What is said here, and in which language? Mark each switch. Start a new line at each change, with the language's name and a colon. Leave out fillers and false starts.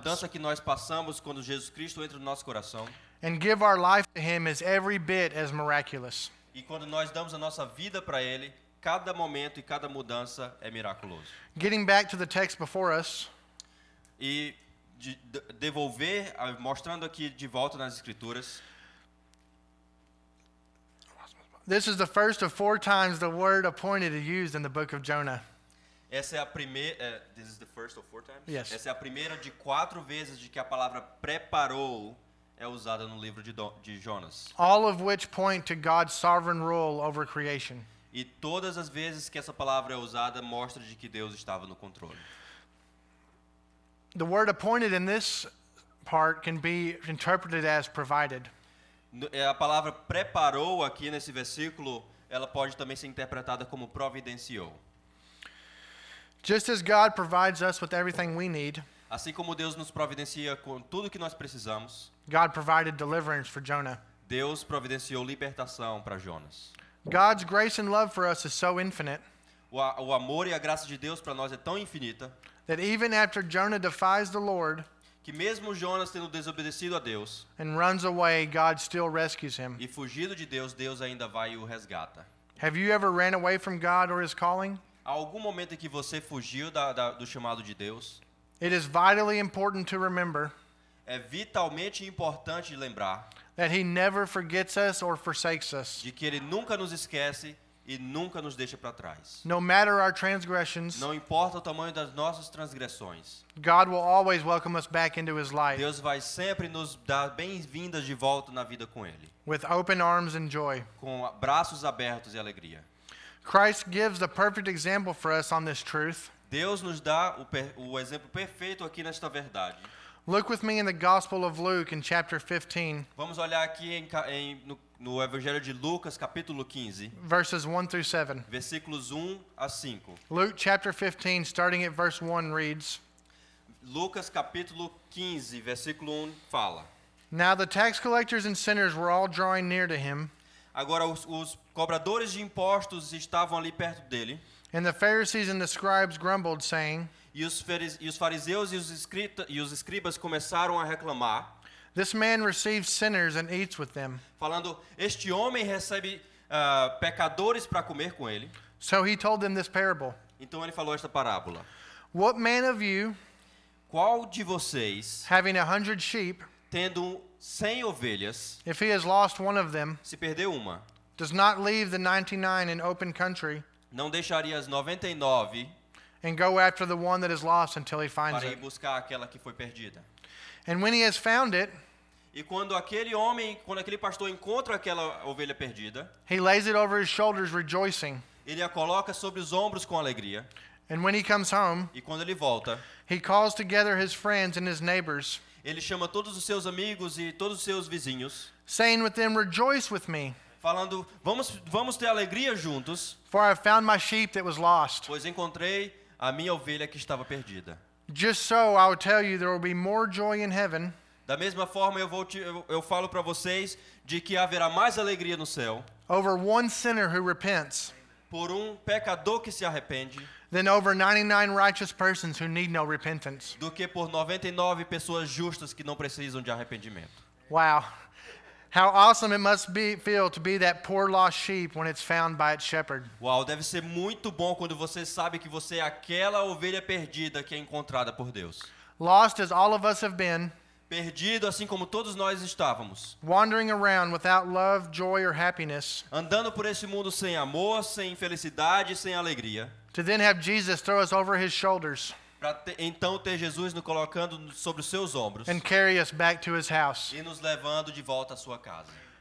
Portuguese: A mudança que nós passamos quando Jesus Cristo entra no nosso coração.
English: And give our life to Him is every bit as miraculous.
Portuguese: E quando nós damos a nossa vida para Ele, cada momento e cada mudança é miraculoso.
English: Getting back to the text before us.
Portuguese: E devolver, mostrando aqui de volta nas Escrituras.
English: This is the first of four times the word appointed is used in the book of Jonah.
Portuguese: Essa é a primeira.
English: This is the first of four times. Yes.
Portuguese: Essa é a primeira de quatro vezes de que a palavra preparou é usada no livro de Jonas.
English: All of which point to God's sovereign rule over creation.
Portuguese: E todas as vezes que essa palavra é usada mostra de que Deus estava no controle.
English: The word appointed in this part can be interpreted as provided.
Portuguese: A palavra preparou aqui nesse versículo, ela pode também ser interpretada como providenciou.
English: Just as God provides us with everything we need,
Portuguese: assim como Deus nos providencia com tudo que nós precisamos,
English: God provided deliverance for Jonah.
Portuguese: Deus providenciou libertação para Jonas.
English: God's grace and love for us is so infinite,
Portuguese: o amor e a graça de Deus para nós é tão infinita,
English: that even after Jonah defies the Lord,
Portuguese: que mesmo Jonas tendo desobedecido a Deus,
English: and runs away, God still rescues him.
Portuguese: E fugido de Deus, Deus ainda vai e o resgata.
English: Have you ever ran away from God or His calling?
Portuguese: Há algum momento em que você fugiu do chamado de Deus?
English: It is vitally important to remember.
Portuguese: É vitalmente importante lembrar.
English: That He never forgets us or forsakes us.
Portuguese: De que Ele nunca nos esquece e nunca nos deixa para trás.
English: No matter our transgressions,
Portuguese: não importa o tamanho das nossas transgressões,
English: God will always welcome us back into His life.
Portuguese: Deus vai sempre nos dar bem-vindas de volta na vida com Ele.
English: With open arms and joy.
Portuguese: Com braços abertos e alegria.
English: Christ gives the perfect example for us on this truth.
Portuguese: Deus nos dá o exemplo perfeito aqui nesta verdade.
English: Look with me in the Gospel of Luke in chapter 15.
Portuguese: Vamos olhar aqui no Evangelho de Lucas, capítulo 15.
English: Verses 1 through 7.
Portuguese: Versículos 1 a 5.
English: Luke chapter 15, starting at verse 1, reads.
Portuguese: Lucas capítulo 15, versículo 1 fala.
English: Now the tax collectors and sinners were all drawing near to him.
Portuguese: Agora os cobradores de impostos estavam ali perto dele.
English: And the Pharisees and the scribes grumbled, saying.
Portuguese: E os fariseus e os escribas começaram a reclamar.
English: This man receives sinners and eats with them.
Portuguese: Falando, este homem recebe pecadores para comer com ele.
English: So he told them this parable.
Portuguese: Então ele falou esta parábola.
English: What man of you,
Portuguese: qual de vocês,
English: having 100 sheep,
Portuguese: tendo 100 ovelhas,
English: if he has lost one of them,
Portuguese: se perdeu uma,
English: Does not leave the 99 in open country.
Portuguese: Não deixaria as 99.
English: And go after the one that is lost until he finds it.
Portuguese: Para ir buscar aquela que foi perdida.
English: And when he has found it.
Portuguese: E quando aquele homem, quando aquele pastor encontra aquela ovelha perdida.
English: He lays it over his shoulders rejoicing.
Portuguese: Ele a coloca sobre os ombros com alegria.
English: And when he comes home.
Portuguese: E quando ele volta.
English: He calls together his friends and his neighbors.
Portuguese: Ele chama todos os seus amigos e todos os seus vizinhos.
English: Saying with them, rejoice with me.
Portuguese: Falando, vamos ter alegria juntos.
English: For I found my sheep that was lost.
Portuguese: Pois encontrei a minha ovelha que estava perdida.
English: Just so I will tell you, there will be more joy in heaven.
Portuguese: Da mesma forma eu falo para vocês de que haverá mais alegria no céu.
English: Over one sinner who repents.
Portuguese: Por um pecador que se arrepende.
English: Than over 99 righteous persons who need no repentance.
Portuguese: Do que por 99 pessoas justas que não precisam de arrependimento.
English: Wow. How awesome it must be feel to be that poor lost sheep when it's found by its shepherd.
Portuguese: Uau, deve ser muito bom quando você sabe que você é aquela ovelha perdida que é encontrada por Deus.
English: Lost as all of us have been.
Portuguese: Perdido assim como todos nós estávamos.
English: Wandering around without love, joy or happiness.
Portuguese: Andando por esse mundo sem amor, sem felicidade, sem alegria.
English: To then have Jesus throw us over his shoulders.
Portuguese: Então ter Jesus nos colocando sobre os seus ombros.
English: And carry us back to his house.
Portuguese: E nos levando de volta à sua casa.